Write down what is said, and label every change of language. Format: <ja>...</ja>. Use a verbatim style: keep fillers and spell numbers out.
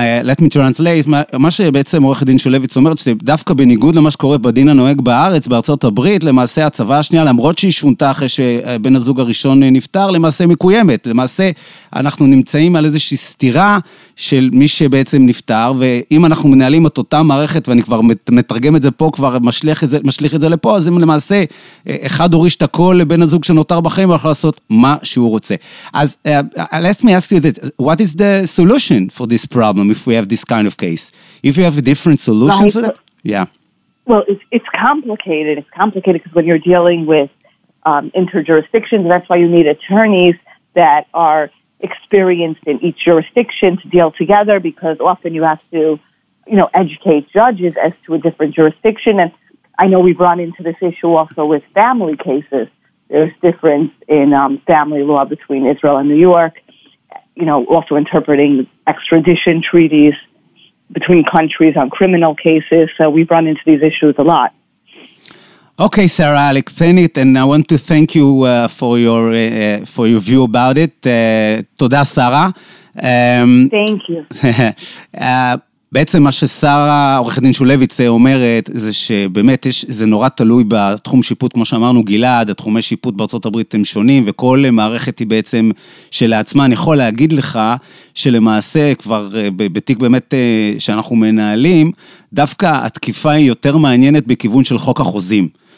<en>let me translate,</en> <he>מה שבעצם עורך הדין שולביץ אומרת, שדווקא בניגוד למה שקורה בדין הנוהג בארץ, בארצות הברית, למעשה הצבא השנייה, למרות שהיא שונתה אחרי שבן הזוג הראשון נפטר, למעשה מקוימת, למעשה אנחנו נמצאים על איזושהי סתירה של מי שבעצם נפטר, ואם אנחנו מנהלים את אותה מערכת, ואני כבר מתרגם את זה פה, כבר משליך את זה, משליך את זה לפה, אז אם למעשה אחד הוריש את הכל לבן הזוג שנותר בחיים, הוא יכול לעשות מה שהוא רוצה. אז,</he> <en>uh, let me ask you this, what is the solution for this problem if we have this kind of case? If you have a different solution right. for that? Yeah. Well, it's, it's complicated. It's complicated because when you're dealing with um, inter-jurisdictions, that's why you need attorneys that are experienced in each jurisdiction to deal together, because often you have to, you know, educate judges as to a different jurisdiction. And I know we've run into this issue also with family cases. There's difference in um, family law between Israel and New York, you know, also interpreting extradition treaties between countries on criminal cases. So we've run into these issues a lot. Okay, Sarah, I'll explain it, and I want to thank you uh, for your uh, for your view about it.</en> <he>Uh, תודה, Sarah.</he> <en>Um, thank you.</en> <he>uh, בעצם מה ששרה, עורך הדין שולביץ אומרת, זה שבאמת יש, זה נורא תלוי בתחום שיפוט, כמו שאמרנו גלעד, התחומי שיפוט בארצות הברית הם שונים, וכל מערכת היא בעצם שלעצמה. אני יכול להגיד לך שלמעשה כבר בתיק באמת שאנחנו מנהלים, דווקא התקיפה היא יותר מעניינת בכיוון של חוק החוזים.</he>